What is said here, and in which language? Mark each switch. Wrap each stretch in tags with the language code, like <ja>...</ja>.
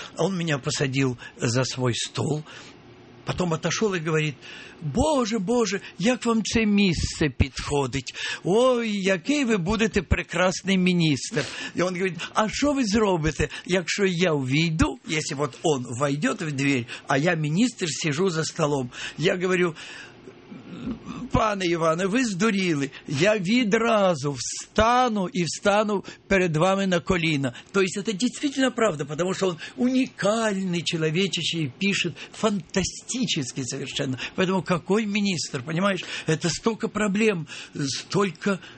<ru>Он меня посадил за свой стол, потом отошел и говорит:</ru> <uk>«Боже, боже, як вам це місце підходить? Ой, який ви будете прекрасний міністр!»</uk> <ru>И он говорит:</ru> <uk>«А що ви зробите, якщо я увійду?»</uk> <ru>Если вот он войдет в дверь, а я министр, сижу за столом. Я говорю:</ru> <uk>«Пане Іване, ви здуріли, я відразу встану і встану перед вами на коліна».</uk> <ru>То есть это действительно правда, потому что он уникальный человечище, пишет фантастически совершенно. Поэтому какой министр, понимаешь? Это столько проблем, столько...</ru>